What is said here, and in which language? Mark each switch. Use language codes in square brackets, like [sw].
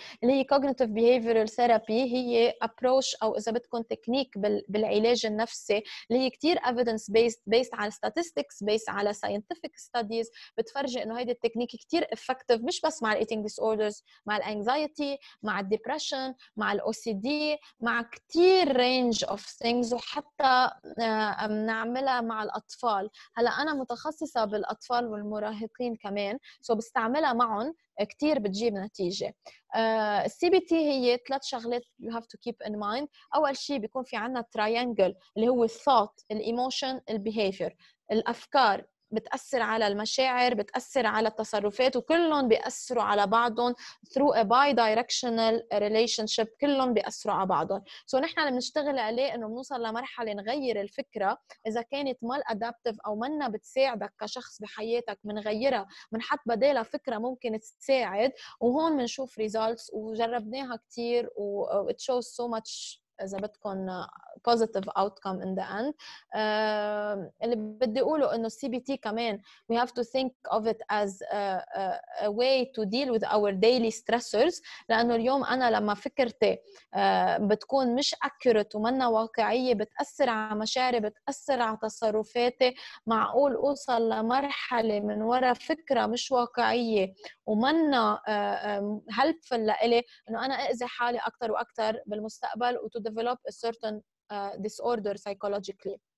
[ar] اللي هي cognitive behavioral therapy هي approach أو إذا بتكون تكنيك بالعلاج النفسي اللي هي كتير evidence based على statistics based على scientific studies بتفرج أنه هيدا التكنيك كتير effective مش بس مع eating disorders مع anxiety مع الديبرشن مع الOCD مع كتير range of things وحتى بنعملها مع الأطفال. هلأ أنا متخصصة بالأطفال والمراهقين كمان سو بستعملها معهم كتير بتجيب نتيجة. [en] CBT هي ثلاث شغلات you have to keep in mind. [ar] أول شيء بيكون في عنا triangle اللي هو thought, emotion, behavior الأفكار بتأثر على المشاعر, بتأثر على التصرفات, وكلهم بيأثروا على بعضهم through a bi-directional relationship, كلهم بيأثروا على بعضهم. سو نحن اللي بنشتغل عليه انه بنوصل لمرحلة نغير الفكرة اذا كانت مال adaptive او منا بتساعدك كشخص بحياتك, منغيرها, منحط بديلها فكرة ممكن تساعد, وهون منشوف results. [en] وجربناها كتير و it shows so much إذا بدكم positive outcome in the end. [ar] اللي بدي أقوله إنه CBT كمان we have to think of it as a way to deal with our daily stressors, لأنه اليوم أنا لما فكرتي بتكون مش accurate ومنا واقعية بتأثر على مشاعري, بتأثر على تصرفاتي, معقول أوصل لمرحلة من وراء فكرة مش واقعية ومنا helpful لإلي إنه أنا أأذي حالي أكتر وأكتر بالمستقبل develop a certain disorder psychologically.